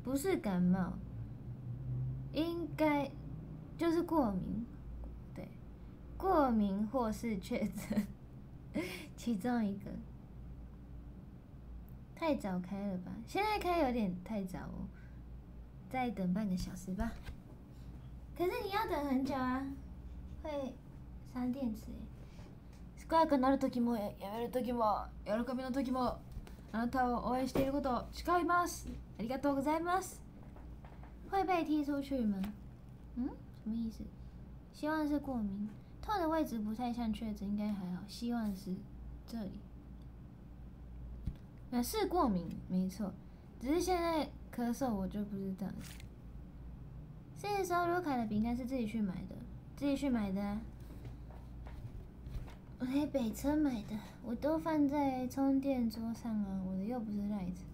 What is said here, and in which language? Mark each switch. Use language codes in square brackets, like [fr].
[zh] 不是感冒，应该就是过敏，对，过敏或是确诊，其中一个。太早开了吧？现在开有点太早哦，再等半个小时吧。可是你要等很久啊，会伤电池。 [ja] 健やかなる時もやめる時も喜びの時もあなたを応援していることを誓います。ありがとうございます。 [zh] 会被踢出去吗？嗯，什么意思？希望是过敏，痛的位置不太像确诊，应该还好。希望是这里，那是过敏没错，只是现在咳嗽我就不知道了。这个时候卢卡的饼干是自己去买的，自己去买的、啊，我在北车买的，我都放在充电桌上啊，我的又不是 light。